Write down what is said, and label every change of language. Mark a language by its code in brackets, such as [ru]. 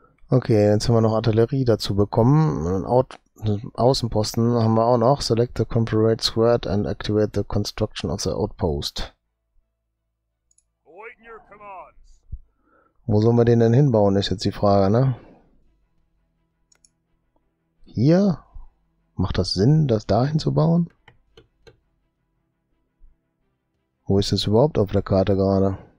[de] Okay, jetzt haben wir noch Artillerie dazu bekommen. Außenposten haben wir auch noch. [en] Select the Confederate squad and activate the construction of the outpost. Wait in your command. [de] Wo sollen wir den denn hinbauen, ist jetzt die Frage, ne? Hier? Macht das Sinn, das da hinzubauen? Wo ist das überhaupt auf der Karte gerade?